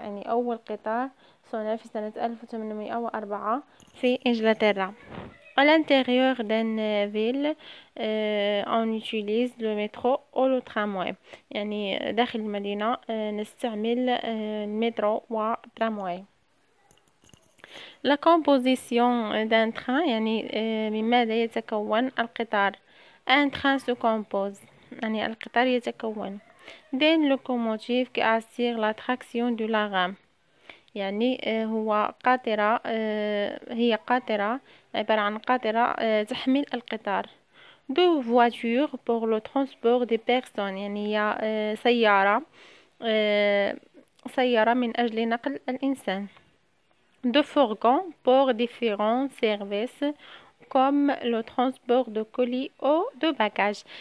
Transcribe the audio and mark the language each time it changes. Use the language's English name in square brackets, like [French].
[Arabic] يعني أول قطار صنع في سنة 1804 في إنجلترا. [French] À l'intérieur d'une ville, on utilise le métro ou le tramway. [Arabic] يعني داخل المدينة نستعمل المترو والترامواي. [French] La composition d'un train, [Arabic] يعني مماذا يتكون القطار؟ [French] Un train se compose, [Arabic] يعني القطار يتكون [French] d'une locomotive qui assure la traction de la rame. [Arabic] يعني هو قاطرة هي قاطرة عبارة عن قاطرة تحمل القطار. [French] Deux voitures pour le transport des personnes. [Arabic] يعني هي سيارة سيارة من أجل نقل الإنسان. [French] De fourgons pour différents services comme le transport de colis ou de bagages.